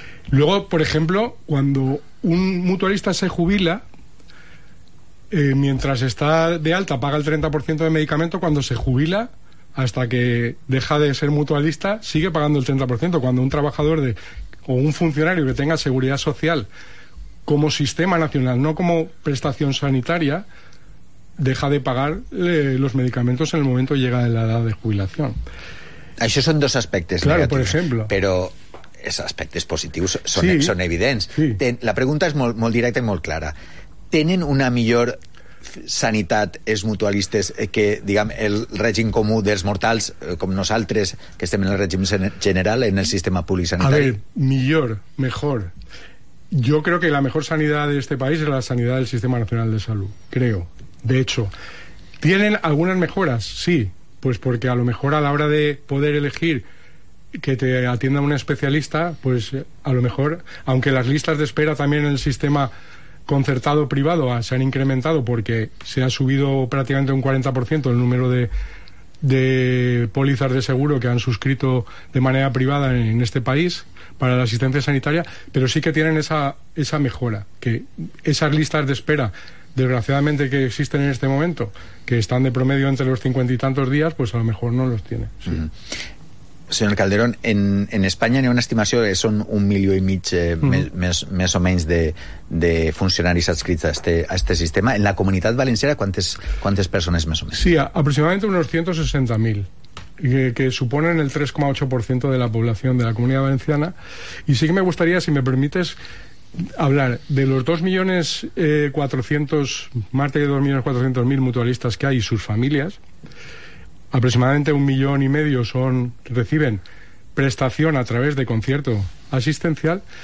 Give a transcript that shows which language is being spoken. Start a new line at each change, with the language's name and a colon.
Spanish: Luego, por ejemplo, cuando un mutualista se jubila, mientras está de alta paga el 30% de medicamento, cuando se jubila, hasta que deja de ser mutualista, sigue pagando el 30%. Cuando un trabajador o un funcionario que tenga seguridad social como sistema nacional, no como prestación sanitaria, deja de pagar los medicamentos en el momento que llega a la edad de jubilación.
Catalan: Això són dos aspectes,
Spanish: claro,
Catalan: negatius,
Spanish: por ejemplo.
Catalan: Però els aspectes positius són, sí, són evidents. Sí. La pregunta és molt, molt directa i molt clara. Tenen una millor sanitat els mutualistes que, diguem, el règim comú dels mortals, com nosaltres, que estem en el règim general, en el sistema públic sanitari?
Spanish: A ver, millor, mejor. Yo creo que la mejor sanidad de este país es la sanidad del Sistema Nacional de Salud, creo. De hecho, ¿tienen algunas mejoras? Sí, pues porque a lo mejor a la hora de poder elegir que te atienda un especialista, pues a lo mejor, aunque las listas de espera también en el sistema concertado privado se han incrementado porque se ha subido prácticamente un 40% el número de pólizas de seguro que han suscrito de manera privada en este país para la asistencia sanitaria, pero sí que tienen esa mejora, que esas listas de espera desgraciadamente, que existen en este momento, que están de promedio entre los 50 y tantos días, pues a lo mejor no los tiene. Sí. Uh-huh.
Catalan: Senyor Calderón, en Espanya n'hi ha una estimació que són 1,5 milions més o menys de funcionaris adscrits a este sistema. En la Comunitat Valenciana, quantes persones més o menys? Sí, aproximadament uns 160,000,
Spanish: que suponen
Catalan: el 3,8% de la població de la Comunitat Valenciana.
Spanish: I sí que me gustaría, si me permites, hablar de los 2,400,000, más de 2,400,000 mutualistas que hay y sus familias. Aproximadamente 1,500,000 reciben prestación a través de concierto asistencial.